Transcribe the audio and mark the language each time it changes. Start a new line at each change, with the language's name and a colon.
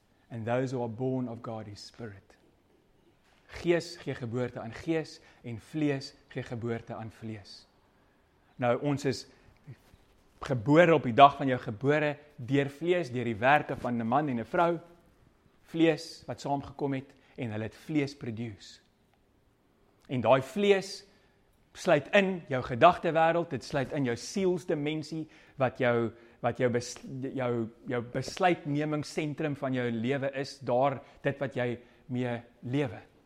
English: And those who are born of God is spirit.
Afrikaans: Gees gee geboorte aan gees en vlees gee geboorte aan vlees. Nou ons is gebore op die dag van jou gebore deur vlees, deur die werke van 'n man en 'n vrou. Vlees wat saamgekom het en hulle het vlees produce. En daai vlees sluit in jou gedagtewêreld, dit sluit in jou sielsdimensie wat jou besluitnemingssentrum van jou lewe is, daar dit wat jy mee lewe.